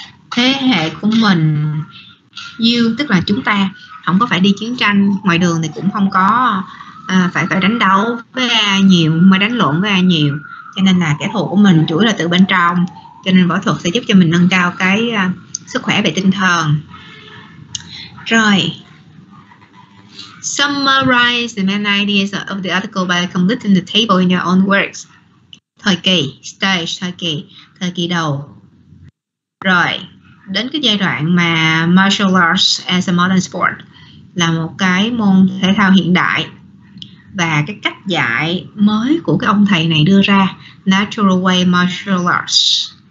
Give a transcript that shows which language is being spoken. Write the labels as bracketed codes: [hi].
[vi] Thế hệ của mình, you, tức là chúng ta không có phải đi chiến tranh, ngoài đường thì cũng không có phải đánh đấu với ai nhiều, mà đánh lộn với ai nhiều. Cho nên là kẻ thù của mình chủ yếu là từ bên trong. Cho nên võ thuật sẽ giúp cho mình nâng cao cái sức khỏe về tinh thần. Rồi. [en] Summarize the main ideas of the article by completing the table in your own words. [vi] Thời kỳ, stage, thời kỳ đầu. Rồi. Đến cái giai đoạn mà [en] martial arts as a modern sport [vi] là một cái môn thể thao hiện đại, và cái cách dạy mới của cái ông thầy này đưa ra, [en] natural way martial arts.